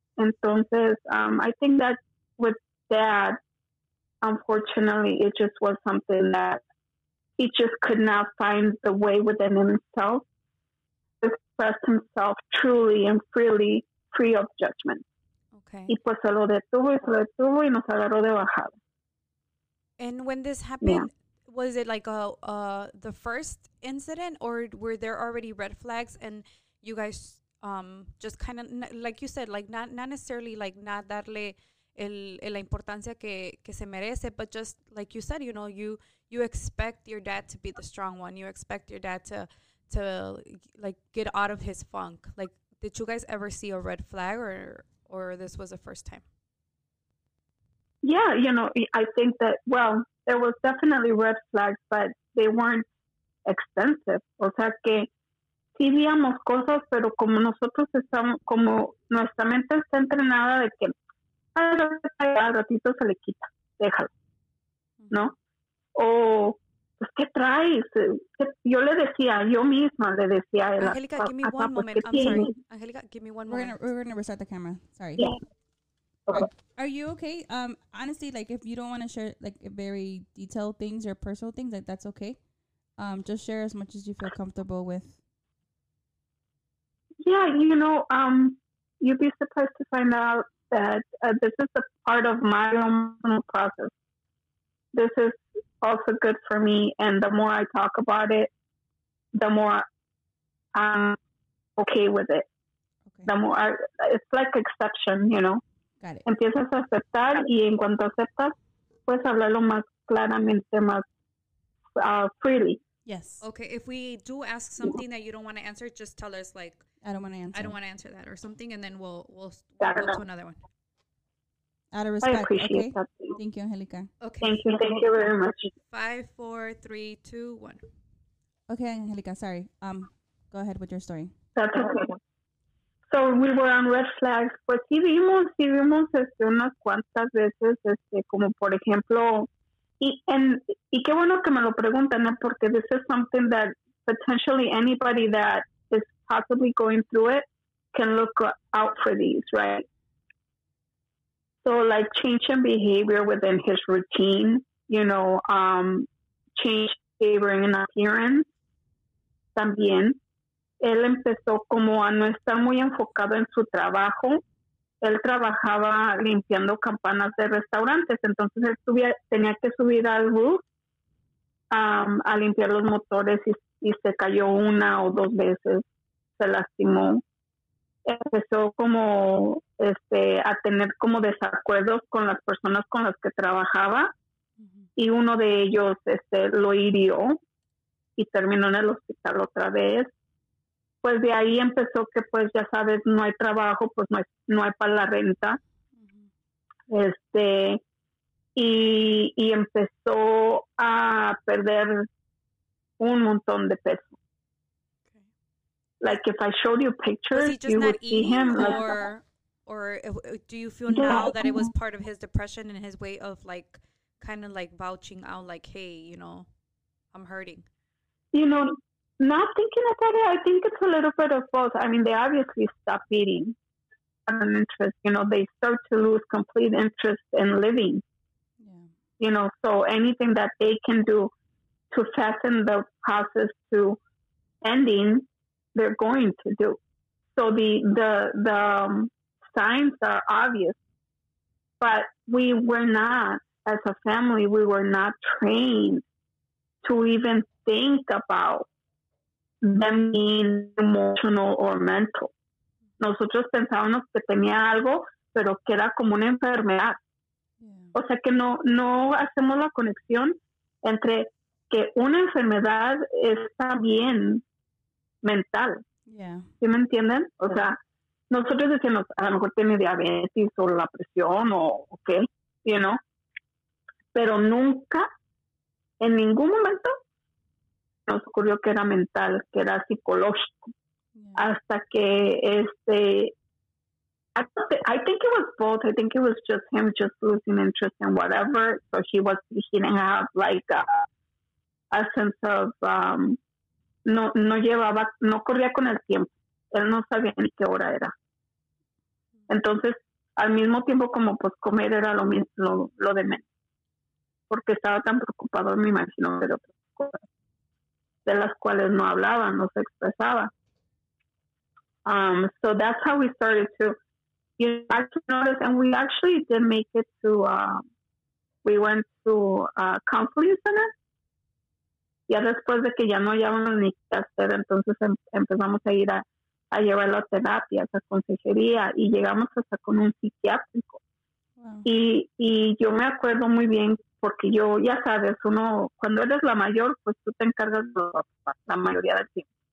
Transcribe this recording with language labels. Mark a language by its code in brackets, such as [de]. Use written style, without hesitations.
[es] Entonces, [en] I think that with that, unfortunately, it just was something that he just could not find the way within himself to express himself truly and freely, free of judgment. Okay. [es] Y pues se lo detuvo y nos agarró de bajada. [en] And when this happened, yeah. Was it like the first incident, or were there already red flags and you guys just kind of, like you said, like not necessarily like not [es] darle el la importancia que se merece, [en] but just like you said, you know, you expect your dad to be the strong one. You expect your dad to like get out of his funk. Like, did you guys ever see a red flag, or this was the first time? Yeah, you know, I think that, well, there was definitely red flags, but they weren't extensive. [es] O sea, que sí veíamos cosas, pero como nosotros estamos, como nuestra mente está entrenada de que al ratito se le quita, déjalo, ¿no? O, pues, ¿qué traes? Yo le decía, yo misma le decía a él. [en] Angelica, give me one moment. I'm sorry. Angelica, give me one moment. We're gonna restart the camera. Sorry. Yeah. Okay. Are you okay? Honestly, like, if you don't want to share like very detailed things or personal things, like, that's okay. Just share as much as you feel comfortable with. Yeah, you know, you'd be surprised to find out that this is a part of my own process. This is also good for me, and the more I talk about it, the more I'm okay with it. Okay. The more it's like exception, you know. [es] Empiezas a aceptar, y en cuanto aceptas, puedes hablarlo más claramente, más [en] freely. Yes. Okay, if we do ask something that you don't want to answer, just tell us, like, I don't want to answer that or something, and then we'll go to another one. Out of respect. I appreciate okay? that. Thank you, Angelica. Okay. Thank you very much. 5, 4, 3, 2, 1. Okay, Angelica, sorry. Go ahead with your story. That's okay. So we were on red flags. [es] Pues sí vimos unas cuantas veces, como por ejemplo, y qué bueno que me lo preguntan, ¿no? Porque [en] this is something that potentially anybody that is possibly going through it can look out for these, right? So like changing behavior within his routine, you know, change behavior in appearance [es] también. Él empezó como a no estar muy enfocado en su trabajo. Él trabajaba limpiando campanas de restaurantes. Entonces, él tenía que subir al roof a limpiar los motores y se cayó una o dos veces. Se lastimó. Empezó como a tener como desacuerdos con las personas con las que trabajaba. Y uno de ellos lo hirió y terminó en el hospital otra vez. Pues de ahí empezó que, pues, ya sabes, no hay trabajo, pues no hay para la renta. Uh-huh. Y empezó a perder un montón de peso. [en] Okay. Like, if I showed you pictures, you would see him. Or do you feel now that it was part of his depression and his way of, like, kind of, like, vouching out, like, hey, you know, I'm hurting? You know, not thinking about it, I think it's a little bit of both. I mean, they obviously stop eating out of interest. You know, they start to lose complete interest in living. Yeah. You know, so anything that they can do to fasten the process to ending, they're going to do. So the signs are obvious. But we were not, as a family, we were not trained to even think about them being emotional or mental. [es] Nosotros pensábamos que tenía algo, pero que era como una enfermedad. Yeah. O sea que no hacemos la conexión entre que una enfermedad está bien mental. [en] Yeah. [es] ¿Sí me entienden? O sea, nosotros decimos, a lo mejor tiene diabetes o la presión o qué, [en] okay, you know? [es] Pero nunca, en ningún momento, nos ocurrió que era mental, que era psicológico. [en] Yeah. [es] Hasta que [en] I think it was both. I think it was just him just losing interest in whatever. So he was, he didn't have like a, a sense of [es] no llevaba, no corría con el tiempo. Él no sabía ni qué hora era. Entonces, al mismo tiempo, como pues comer era lo mismo, lo de menos. Porque estaba tan preocupado, me imagino, de otras cosas, de las cuales no hablaba, no se expresaba. [en] So that's how we started to, you know, actually notice, and we actually did make it to, we went to a counseling center. [es] Ya después de que ya no hallábamos ni qué hacer, entonces empezamos a ir a llevarlo a terapia, a consejería, y llegamos hasta con un psiquiátrico. Wow. Y yo me acuerdo muy bien, porque yo, ya sabes, uno, cuando eres la mayor, pues tú te encargas de la mayoría del tiempo.